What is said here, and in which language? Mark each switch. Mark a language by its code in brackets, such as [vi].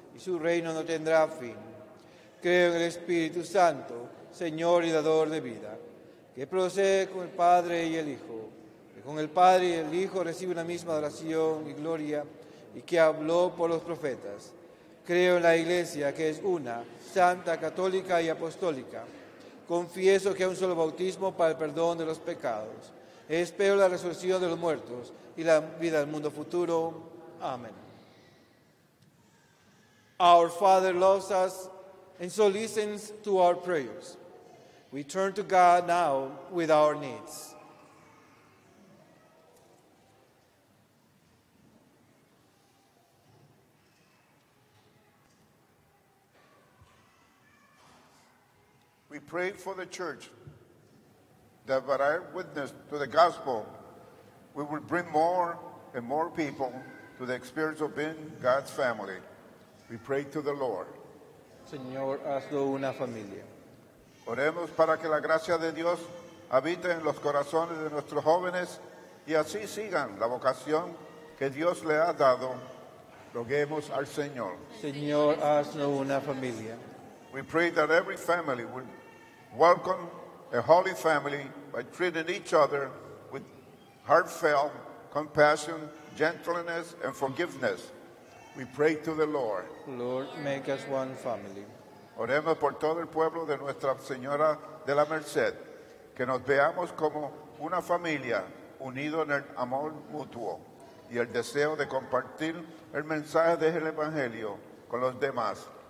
[es] Y su reino no tendrá fin. Creo en el Espíritu Santo, Señor y Dador de vida, que procede con el Padre y el Hijo, que con el Padre y el Hijo recibe una misma adoración y gloria, y que habló por los profetas. Creo en la Iglesia, que es una, santa, católica y apostólica. Confieso que hay un solo bautismo para el perdón de los pecados. Espero la resurrección de los muertos y la vida del mundo futuro. Amén. [en] Our Father loves us, and so listens to our prayers. We turn to God now with our needs. We pray for the church that by our witness to the gospel, we will bring more and more people to the experience of being God's family. We pray to the Lord. [es] Señor, hazlo una familia. Oremos para que la gracia de Dios habite en los corazones de nuestros jóvenes y así sigan la vocación que Dios le ha dado. Roguemos al Señor. Señor, haznos una familia. [en] We pray that every family will welcome a holy family by treating each other with heartfelt compassion, gentleness, and forgiveness. We pray to the Lord. Lord, make us one family. [es] Oremos por todo el pueblo de Nuestra Señora de la Merced, que nos veamos como una familia unido en el amor mutuo y el deseo de compartir el mensaje del Evangelio con los demás.